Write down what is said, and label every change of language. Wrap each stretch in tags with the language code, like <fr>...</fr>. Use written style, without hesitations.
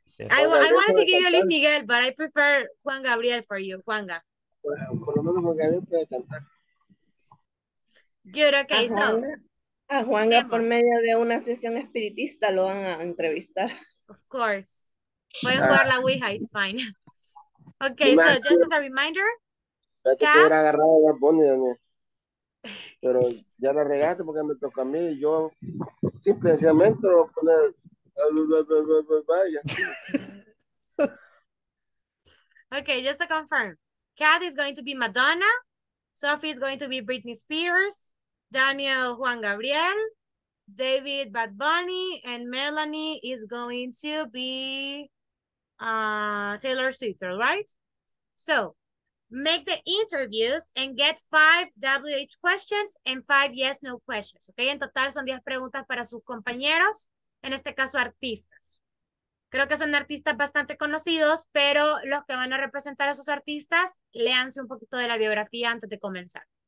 <en>I wanted to give you Luis Miguel, but I prefer Juan Gabriel for you, Juanga.</en> <es>Bueno, por lo menos Juan Gabriel puede cantar.</es> <en>Good, okay, so.</en> <es>A Juanga, por medio de una sesión espiritista, lo van a entrevistar.</es> <en>Of course.</en> <es>Pueden jugar la Ouija,</es> <en>it's fine. Okay, so just as a reminder.</en> <es>Ya te hubiera agarrado la pony, Daniel. Pero ya la regaste porque me tocó a mí. Y yo, simple y sencillamente, lo voy a poner.</es> <en>Okay, just to confirm. Kat is going to be Madonna. Sophie is going to be Britney Spears. Daniel, Juan Gabriel, David, Bad Bunny, and Melanie is going to be Taylor Swift, right? So, make the interviews and get 5 WH questions and 5 yes-no questions, okay?</en> <es>En total son 10 preguntas para sus compañeros, en este caso artistas. Creo que son artistas bastante conocidos, pero los que van a representar a esos artistas, léanse un poquito de la biografía antes de comenzar.</es>